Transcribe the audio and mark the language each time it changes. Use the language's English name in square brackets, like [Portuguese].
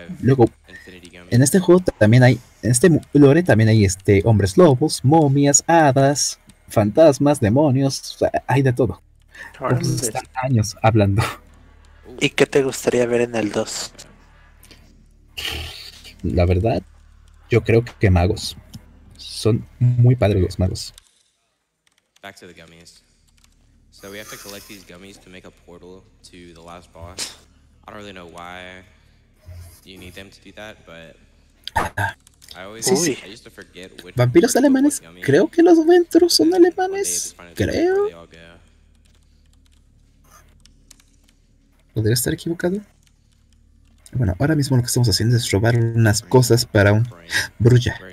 [Spanish] Luego, en este juego también hay, en este lore también hay hombres lobos, momias, hadas, fantasmas, demonios, hay de todo. Vamos a estar años hablando. ¿Y qué te gustaría ver en el 2? La verdad, yo creo que magos. Son muy padres los magos. [English] Back to the gummies. So we have to collect these gummies to make a portal to the last boss. I don't really know why you need them to do that, but I always sí. I used to forget which [Spanish] vampiros alemanes. Creo que los ventros son alemanes. Creo. ¿Podría estar equivocado? Bueno, ahora mismo lo que estamos haciendo es robar unas cosas para un Brulla.